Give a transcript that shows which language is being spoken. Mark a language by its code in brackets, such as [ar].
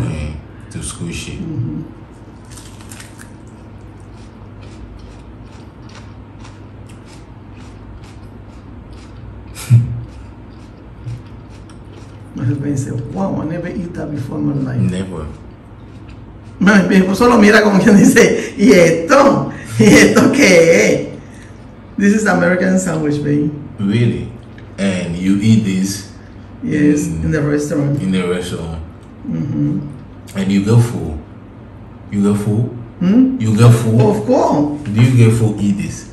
[en] To him, to squishy. My husband said, wow, I never eat that before in my life. Never. [es] Mi esposo lo mira como quien dice, ¿y esto? ¿Y esto qué? [en] This is American sandwich, baby. Really? And you eat this? Yes, in the restaurant. In the restaurant. Mm-hmm. And you get full. You get full? Hmm? You get full? Of course. Do you get full? Eat this.